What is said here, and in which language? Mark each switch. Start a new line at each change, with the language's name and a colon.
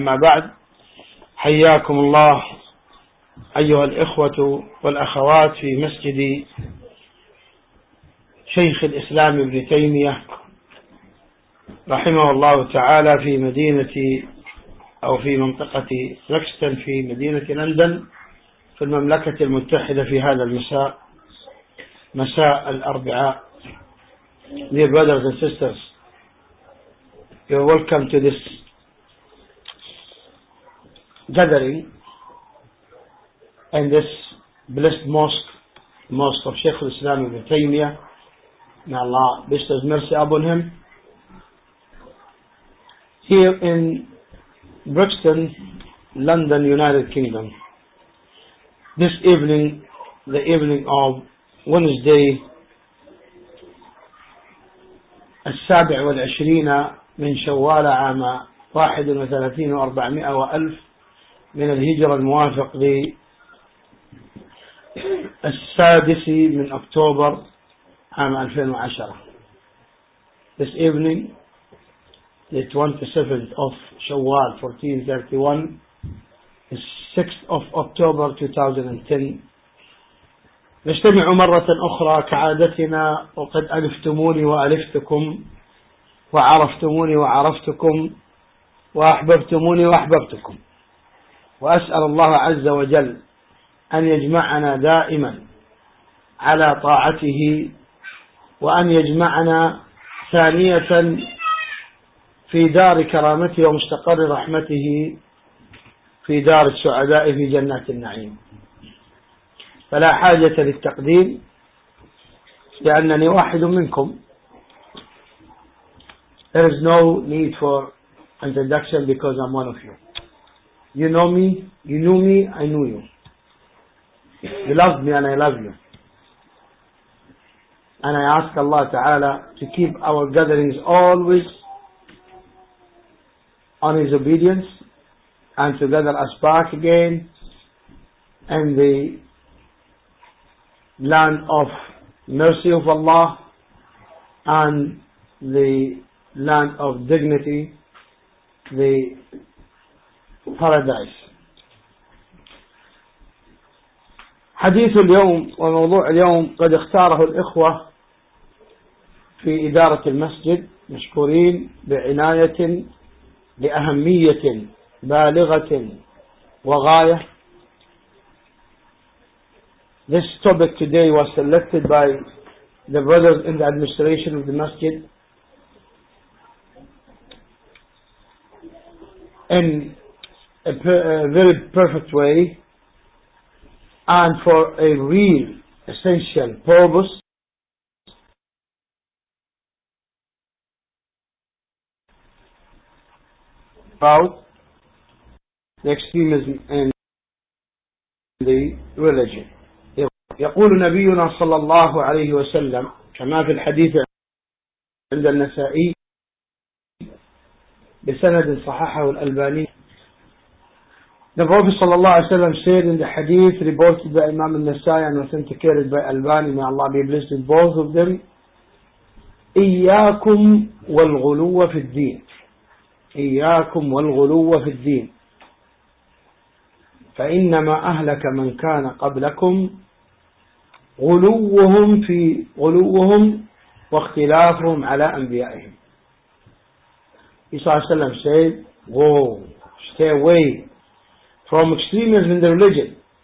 Arabic: أما بعد، حياكم الله أيها الإخوة والأخوات في مسجد شيخ الإسلام ابن تيمية رحمه الله تعالى في مدينة أو في منطقة لكستن في مدينة لندن في المملكة المتحدة في هذا المساء، مساء الأربعاء.
English: Dear brothers and sisters, you're welcome to this gathering in this blessed mosque, mosque of Sheikh al-Islam ibn Taymiyyah. May Allah bestow His mercy upon him. Here in Brixton, London, United Kingdom. This evening, the evening of Wednesday,
Arabic: السابع والعشرين من شوال عام 31 و400 و1000 من الهجرة الموافق للسادس من أكتوبر عام 2010.
English: This evening, the 27th of شوال 1431, the 6th of October 2010.
Arabic: نجتمع مرة أخرى كعادتنا، وقد ألفتموني وألفتكم وعرفتموني وعرفتكم وأحببتموني وأحببتكم، وأسأل الله عز وجل أن يجمعنا دائما على طاعته، وأن يجمعنا ثانية في دار كرامته ومستقر رحمته في دار السعداء في جنات النعيم. فلا حاجة للتقديم، لأنني واحد منكم.
English: There is no need for introduction because I'm one of you. You know me, you knew me, I knew you. You loved me and I love you. And I ask Allah Ta'ala to keep our gatherings always on His obedience and to gather us back again in the land of mercy of Allah and the land of dignity, the paradise.
Arabic: حديث اليوم وموضوع اليوم قد اختاره الإخوة في إدارة المسجد، مشكورين بعناية لأهمية بالغة وغاية.
English: This topic today was selected by the brothers in the administration of the masjid in a very perfect way and for a real essential purpose. About the extremism in the religion.
Arabic: يقول نبينا صلى الله عليه وسلم كما في الحديث عند النسائي بسند صححه الألباني.
English: The Prophet صلى الله عليه وسلم said in the hadith reported by Imam al-Nasai and authenticated by Albani, may Allah be blessed with both of them,
Arabic: إياكم والغلو في الدين. إياكم والغلو في الدين فإنما أهلك من كان قبلكم غلوهم في غلوهم واختلافهم على أنبيائهم.
English: إسحاق سلم said, "Go, stay away from extremism in the religion,